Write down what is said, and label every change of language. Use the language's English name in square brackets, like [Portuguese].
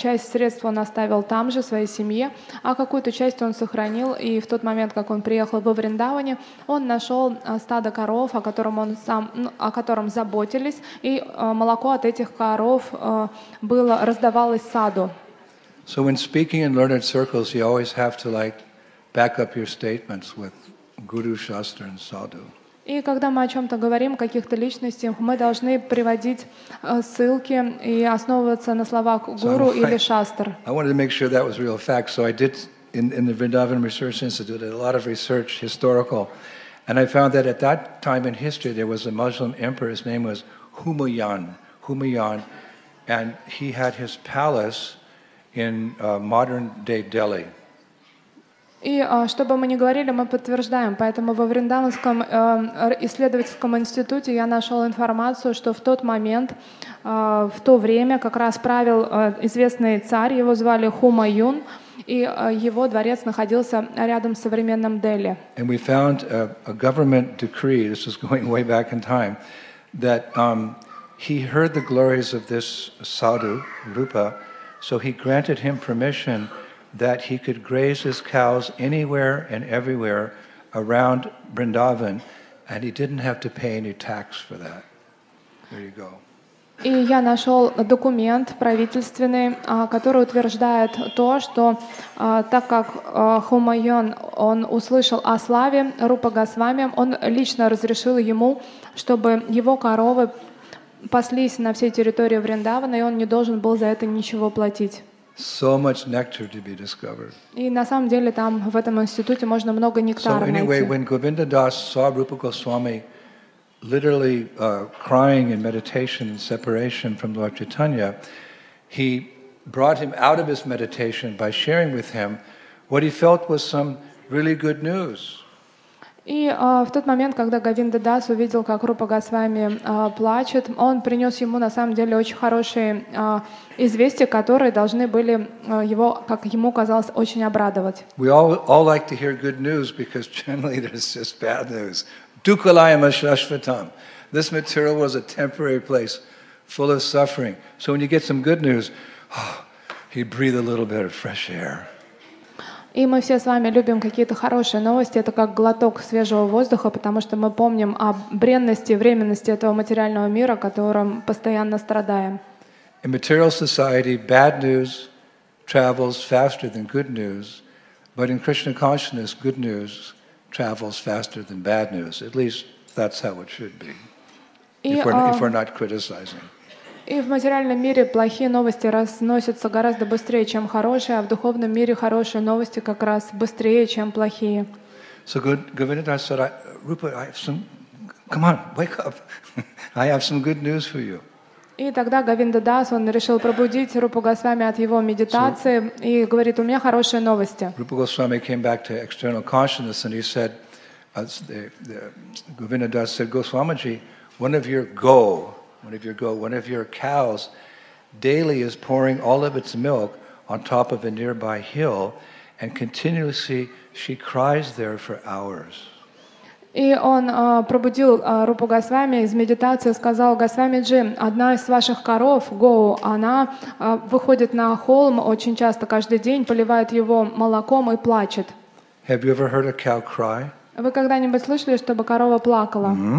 [Russian] Часть средств он оставил там же, своей семье, а какую-то часть он сохранил. И в тот момент, как он приехал во Вриндаване, он нашел стадо коров, о котором заботились, и молоко от этих коров раздавалось саду. [English] So when speaking in learned circles, you always have to like back up your statements with Guru, Shastra, and Sadhu. [Russian] И когда мы о чем-то говорим, о каких-то личностях, мы должны приводить ссылки и основываться на словах Гуру или Шастр. [English] I wanted to make sure that was real fact, so I did in the Vrindavan Research Institute a lot of research, historical, and I found that at that time in history there was a Muslim emperor. His name was Humayun, and he had his palace in modern-day Delhi. [Russian] И что бы мы ни говорили, мы подтверждаем. Поэтому во Вриндаванском исследовательском институте я нашел информацию, что в тот момент, в то время как раз правил известный царь, его звали Хумаюн, и его дворец находился рядом с современным Дели. [English] And we found a government decree, this is going way back in time, that he heard the glories of this sadhu, Rupa, so he granted him permission that he could graze his cows anywhere and everywhere around Vrindavan, and he didn't have to pay any tax for that. There you go. [Russian] И я нашел документ правительственный, который утверждает то, что так как Хумаён, он услышал о славе Рупа Госвами, он лично разрешил ему, чтобы его коровы паслись на всей территории Вриндавана, и он не должен был за это ничего платить. [English] So much nectar to be discovered. [Russian] И на самом деле там в этом институте можно много нектара найти. [English] So anyway, when Govinda Das saw Rupa Goswami literally crying in meditation and separation from Lord Chaitanya, he brought him out of his meditation by sharing with him what he felt was some really good news. [Russian] И в тот момент, когда Говинда Дас увидел, как Рупа Госвами плачет, он принес ему на самом деле очень хорошие известия, которые должны были его, как ему казалось, очень обрадовать. [English] We all like to hear good news, because generally there's just bad news. [Sanskrit] Dukkhalayam ashashvatam. [English] This material was a temporary place full of suffering. So when you get some good news, you breathe a little bit of fresh air. [Russian] И мы все с вами любим какие-то хорошие новости. Это как глоток свежего воздуха, потому что мы помним о бренности, временности этого материального мира, которым постоянно страдаем. [English] In material society, bad news travels faster than good news, but in Krishna consciousness, good news travels faster than bad news. At least that's how it should be, if we're not criticizing. [Russian] И в материальном мире плохие новости разносятся гораздо быстрее, чем хорошие, а в духовном мире хорошие новости как раз быстрее, чем плохие. [English] So good, Govinda Das said, Rupa, I have some, come on, wake up, I have some good news for you. [Russian] И тогда Говинда Дас, он решил пробудить Рупа Госвами от его медитации и говорит, у меня хорошие новости. [English] Rupa Goswami came back to external consciousness and he said, as the Govinda Das said, Goswamiji, one of your cows daily is pouring all of its milk on top of a nearby hill, and continuously she cries there for hours. [Russian] И он пробудил Рупу Госвами из медитации, сказал: Госвамиджи, одна из ваших коров, Гоу, она выходит на холм очень часто каждый день, поливает его молоком и плачет. [English] Have you ever heard a cow cry? [Russian] Вы когда-нибудь слышали, чтобы корова плакала?